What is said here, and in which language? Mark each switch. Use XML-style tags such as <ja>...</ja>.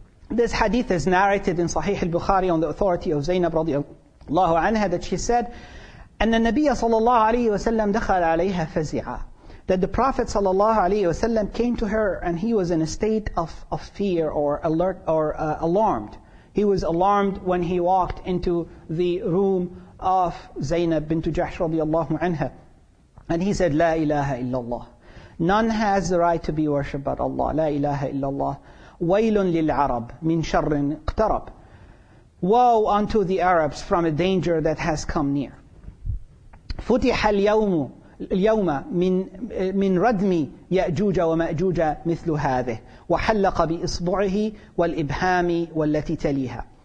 <en>This hadith is narrated in Sahih al-Bukhari on the authority of Zainab</en> <ar>radiallahu الله عنها,</ar> <en>that she said,</en> <ar>أن النبي صلى الله عليه وسلم دخل عليها فزعا.</ar> <en>That the Prophet</en> <ar>صلى الله عليه وسلم</ar> <en>came to her, and he was in a state of fear or alert or alarmed. He was alarmed when he walked into the room of Zainab bint Jahsh</en> <ar>رضي الله عنها.</ar> <en>And he said,</en> <ar>لا إله إلا الله.</ar> <en>None has the right to be worshipped but Allah.</en> <ar>لا إله إلا الله. ويل للعرب من شر اقترب.</ar> <en>Woe unto the Arabs from a danger that has come near.</en> <ar>فُتِحَ الْيَوْمَ مِنْ رَدْمِ يَأْجُوجَ وَمَأْجُوجَ مِثْلُ هَذِهِ وَحَلَّقَ بِإِصْبُعِهِ وَالْإِبْهَامِ وَالَّتِي تَلِيهَا.</ar>